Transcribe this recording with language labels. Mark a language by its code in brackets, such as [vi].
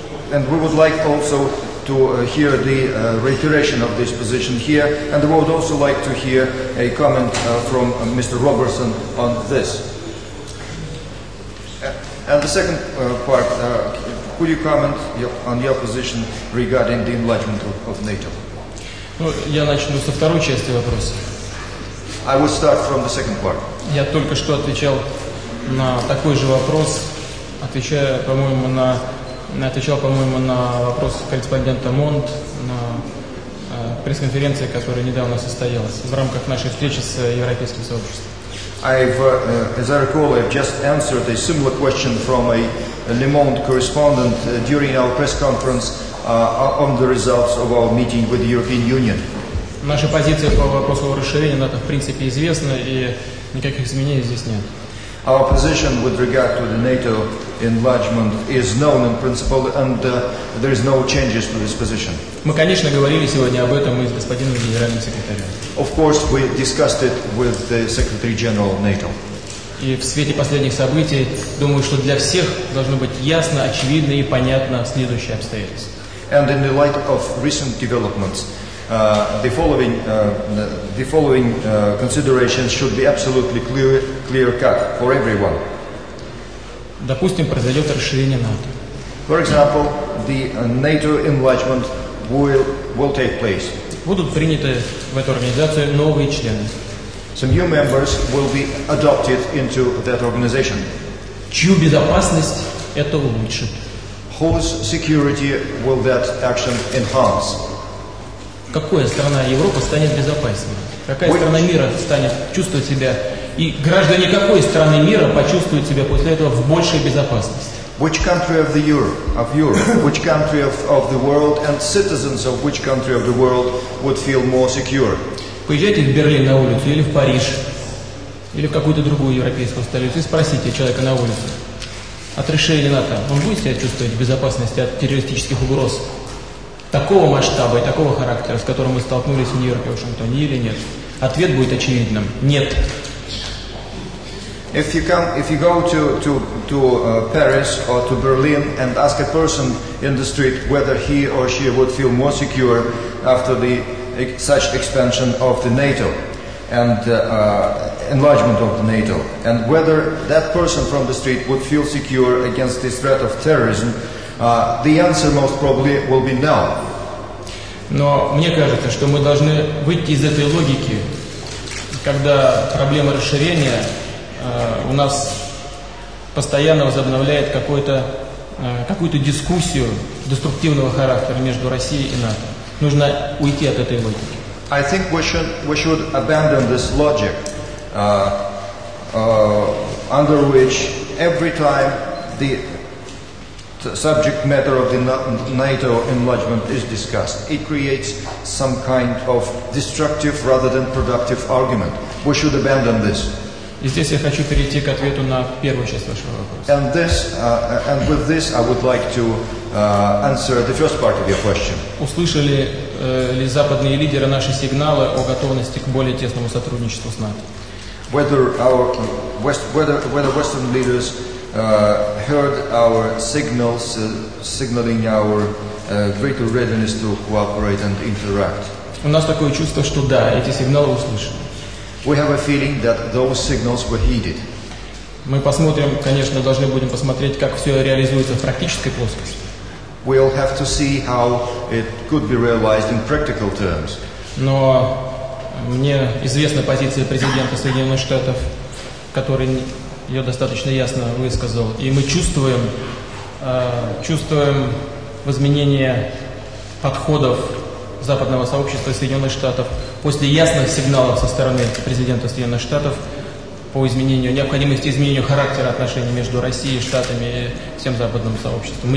[en] And we would like also to hear the reiteration of this position here, and we would also like to hear a comment from Mr. Robertson on this. And the second part, could you comment on your position regarding the enlargement of NATO? [ru] Ну, я начну со второй части вопроса. [en] I will start from the second part. [ru] Я только что отвечал на такой же вопрос, отвечал, по-моему, на вопрос корреспондента Монт на пресс-конференции, которая недавно состоялась в рамках нашей встречи с европейским сообществом. [en] As I recall, I've just answered a similar question from a Le Monde correspondent during our press conference on the results of our meeting with the European Union. [ru] Наша позиция по вопросу о расширении НАТО в принципе известна, и никаких изменений здесь нет. [en] Our position with regard to the NATO enlargement is known in principle, and there is no changes to this position. [ru] Мы, конечно, говорили сегодня об этом и с господином генеральным секретарем. [en] Of course, we discussed it with the Secretary General of NATO. [ru] И в свете последних событий, думаю, что для всех должно быть ясно, очевидно и понятно следующее обстоятельство. [en] And in the light of recent developments, the following considerations should be absolutely clear-cut for everyone. [ru] Допустим, произойдет расширение НАТО. [en] For example, the NATO enlargement will take place. [ru] Будут приняты в эту организацию новые члены. [en] Some new members will be adopted into that organization. [ru] Чью безопасность это улучшит? [en] Whose security will that action enhance? [ru] Какая страна Европы станет безопаснее? Какая страна мира станет чувствовать себя, и граждане какой страны мира почувствуют себя после этого в большей безопасности? [en] Which country of the Europe, which country of the world, and citizens of which country of the world would feel more secure? [ru] Поезжайте в Берлин на улицу, или в Париж, или в какую-то другую европейскую столицу, и спросите человека на улице. От расширения НАТО он будет себя чувствовать в безопасности от террористических угроз такого масштаба и такого характера, с которым мы столкнулись в Нью-Йорке, в Вашингтоне, или нет? Ответ будет очевидным – нет. [en] If you come, if you go to Paris or to Berlin and ask a person in the street whether he or she would feel more secure after the such expansion of the NATO and enlargement of the NATO, and whether that person from the street would feel secure against the threat of terrorism, the answer most probably will be no. [ru] Но мне кажется, что мы должны выйти из этой логики, когда проблема расширения у нас постоянно возобновляет какую-то дискуссию деструктивного характера между Россией и НАТО. Нужно уйти от этой логики. [en] I think we should abandon this logic under which every time the subject matter of the NATO enlargement is discussed, it creates some kind of destructive rather than productive argument. We should abandon this. [ru] И здесь я хочу перейти к ответу на первую часть вашего вопроса. [en] And this, and with this, I would like to answer the first part of your question. [ru] Услышали ли западные лидеры наши сигналы о готовности к более тесному сотрудничеству с НАТО? [en] Whether Western leaders heard our signals signaling our greater readiness to cooperate and interact? [ru] У нас такое чувство, что да, эти сигналы услышали. [en] We have a feeling that those signals were heeded. [ru] Мы посмотрим, конечно, должны будем посмотреть, как все реализуется в практической плоскости. [en] We'll have to see how it could be realized in practical terms. [ru] Но мне известна позиция президента Соединенных Штатов, который ее достаточно ясно высказал, и мы чувствуем изменение подходов западного сообщества Соединенных Штатов после ясных сигналов со стороны президента Соединенных Штатов по изменению, необходимости изменения характера отношений между Россией, Штатами и всем западным сообществом.